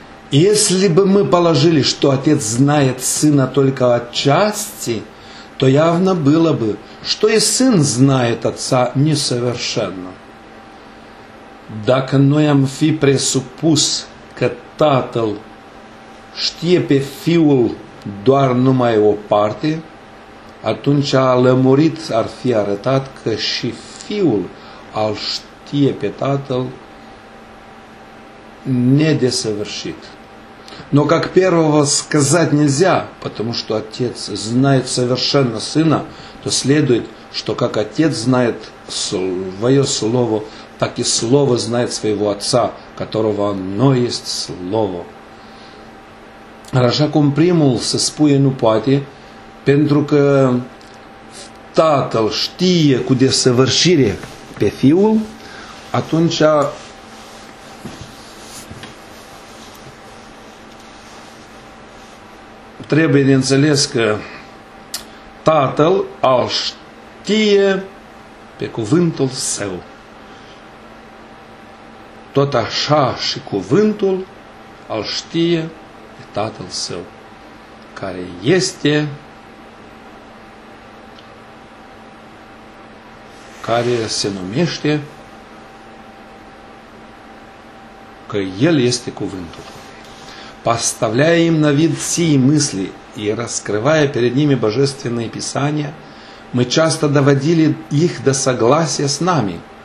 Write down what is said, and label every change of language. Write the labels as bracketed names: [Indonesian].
[Russian] Если бы мы положили, что Отец знает Сына только отчасти, то явно было бы, что и Сын знает Отца несовершенно. [Romanian] Dacă noi am fi presupus că Tatăl știe pe Fiul doar numai o parte, atunci a lămurit ar fi arătat că și Fiul al știe pe Tatăl недесовершит. [Russian] Но как первого сказать нельзя, потому что Отец знает совершенно Сына, то следует, что как Отец знает Свое Слово, так и Слово знает Своего Отца, которого оно есть Слово. [Romanian] Așa cum primul se spune nu poate, pentru că Tatăl știe cu desăvârșire pe Fiul, atunci trebuie de înțeles că Tatăl al știe pe cuvântul său. Tot așa și cuvântul al știe pe Tatăl său, care este, care se numește că El este cuvântul. [Russian] Поставляя им на вид сии мысли и раскрывая перед ними божественные писания, мы часто доводили их до согласия с нами.